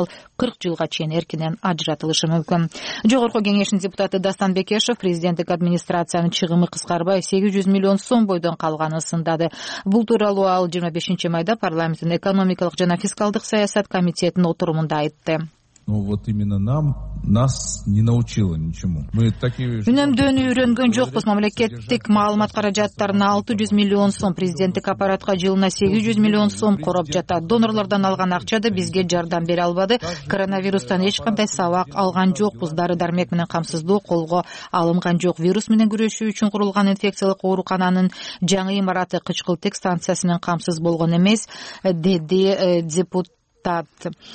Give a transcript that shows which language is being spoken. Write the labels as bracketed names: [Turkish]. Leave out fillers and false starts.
[Kyrgyz] Ал 40 жылга чейин эркинен ажыратылышы мүмкүн. Жогорку кеңештин депутаты Дастан Бекешев президенттик администрациянын чыгымы кыскарбай 800 000 сом бойдон калганын сындады. Бул тууралуу ал 25 майда парламенттин экономикалык жана фискалдык саясат комитетинин отурумунда айтты. [Russian] Ну вот именно нам нас не научило ничему. Мы такие [Kyrgyz] үнөмдөнү үйрөнгөн жокпуз. Мамлекеттик маалымат каражаттарына 600 000 сом, президенттик аппаратка жылына 800 000 сом короп жатат. Донорлордон алган акча да бизге жардам бере албады. Коронавирустан эч кандай сабак алган жокпуз. Дары-дармек менен камсыздоо колго алынган жок. Вирус менен күрөшүү үчүн курулган инфекциялык оорукананын жаңы имараты кычкыл тек станциясы менен камсыз болгон эмес, деди депутат.